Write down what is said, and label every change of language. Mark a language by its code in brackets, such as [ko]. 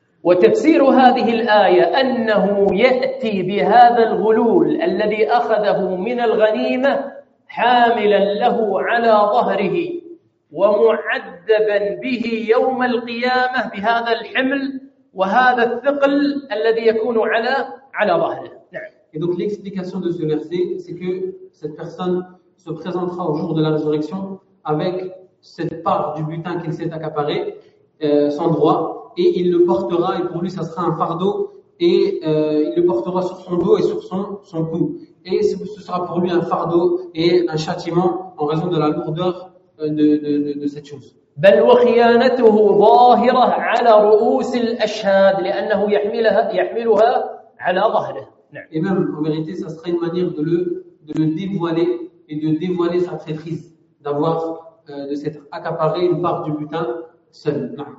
[ar] وتفسير هذه الآية أنه يأتي بهذا الغلول الذي أخذه من الغنيمة حاملا له على ظهره ومعذبا به يوم القيامة بهذا الحمل وهذا الثقل الذي يكون على ظهره. [fr] Et donc l'explication de ce verset, c'est que cette personne se présentera au jour de la résurrection avec cette part du butin qu'il s'est accaparé, son droit, et il le portera, et pour lui ça sera un fardeau, et il le portera sur son dos et sur son cou. Et ce sera pour lui un fardeau et un châtiment en raison de la lourdeur de cette chose. [ar] بل وخيانته ظاهرة على رؤوس الأشهاد لأنه يحملها على ظهره. [fr] Et même, en vérité, ça serait une manière de le dévoiler et de dévoiler sa traîtrise, de s'être accaparé une part du butin seul.